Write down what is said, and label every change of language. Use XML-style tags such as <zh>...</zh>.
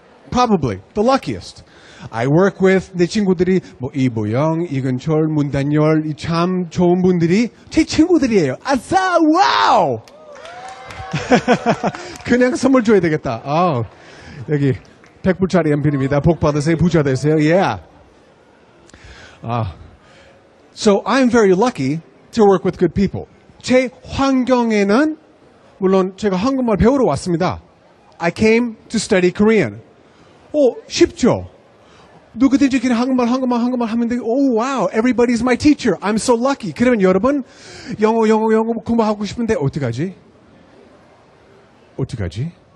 <en>Probably the luckiest. I work with</en> <ko>내 친구들이 뭐 이보영, 이근철, 문단열 이 참 좋은 분들이 제 친구들이에요. 아싸, 와우! 그냥 선물 줘야 되겠다. 아, 여기 100불짜리 연필입니다. 복 받으세요, 부자 되세요.</ko> <en>Yeah. So I'm very lucky to work with good people.</en> <ko>제 환경에는 물론 제가 한국말 배우러 왔습니다.</ko> <en>I came to study Korean.</en> <ko>오, 쉽죠. 누구든지 그냥 한국말 하면 되게,</ko> <en>oh wow, everybody's my teacher. I'm so lucky.</en> <ko>그러면 여러분 영어 공부하고 싶은데 어떡하지?</ko>